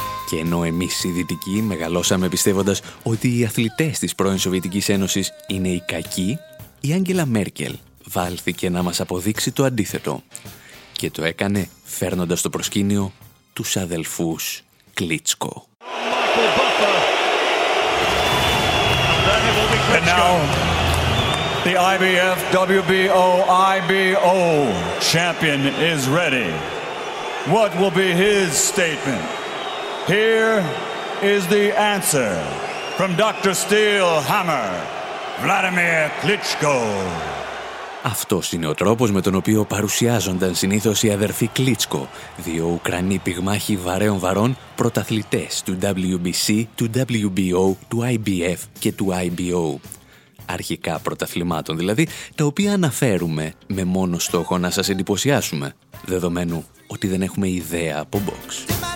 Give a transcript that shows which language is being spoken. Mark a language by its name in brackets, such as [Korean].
[Greek] Και ενώ εμείς οι Δυτικοί μεγαλώσαμε πιστεύοντας ότι οι αθλητές της πρώην Σοβιετικής Ένωσης είναι οι κακοί, η Άγγελα Μέρκελ βάλθηκε να μας αποδείξει το αντίθετο. Και το έκανε φέρνοντας στο προσκήνιο τους αδελφούς Κλίτσκο. [English] And now, the IBF WBO IBO champion is ready. What will be his statement? Here is the answer from Dr. Steel Hammer, Vladimir Klitschko. [Greek] Αυτός είναι ο τρόπος με τον οποίο παρουσιάζονταν συνήθως οι αδερφοί Κλίτσκο, δύο Ουκρανοί πυγμάχοι βαρέων βαρών, πρωταθλητές του WBC, του WBO, του IBF και του IBO. Αρχικά πρωταθλημάτων δηλαδή, τα οποία αναφέρουμε με μόνο στόχο να σας εντυπωσιάσουμε, δεδομένου ότι δεν έχουμε ιδέα από box.